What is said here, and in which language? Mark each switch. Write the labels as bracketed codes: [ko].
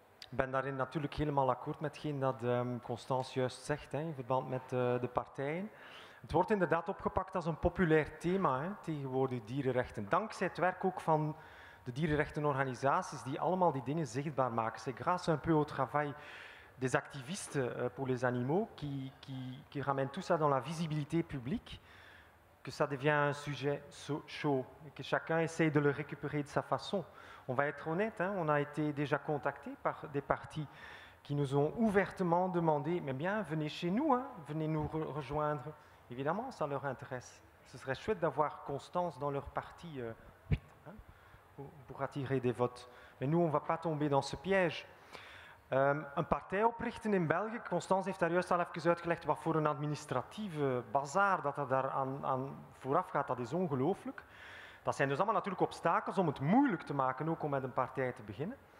[nl] Ik ben daarin natuurlijk helemaal akkoord met hetgeen dat Constance juist zegt, hè, in verband met de partijen. Het wordt inderdaad opgepakt als een populair thema, hè, tegenwoordig dierenrechten. Dankzij het werk ook van de dierenrechtenorganisaties die allemaal die dingen zichtbaar maken. [fr] C'est grâce un peu au travail des activistes pour les animaux qui ramènent tout ça dans la visibilité publique que ça devient un sujet chaud et que chacun essaye de le récupérer de sa façon. On va être honnête, hein, on a été déjà contacté par des partis qui nous ont ouvertement demandé, mais bien, venez chez nous, hein, venez nous rejoindre. Évidemment, ça leur intéresse. Ce serait chouette d'avoir Constance dans leur parti hein, pour attirer des votes. Mais nous, on ne va pas tomber dans ce piège. Un parti [nl] oprichten in België, Constance heeft daar juist al even uitgelegd wat voor een administratieve bazaar dat er daar aan vooraf gaat, dat is ongelooflijk. Dat zijn dus allemaal natuurlijk obstakels om het moeilijk te maken, ook om met een partij te beginnen.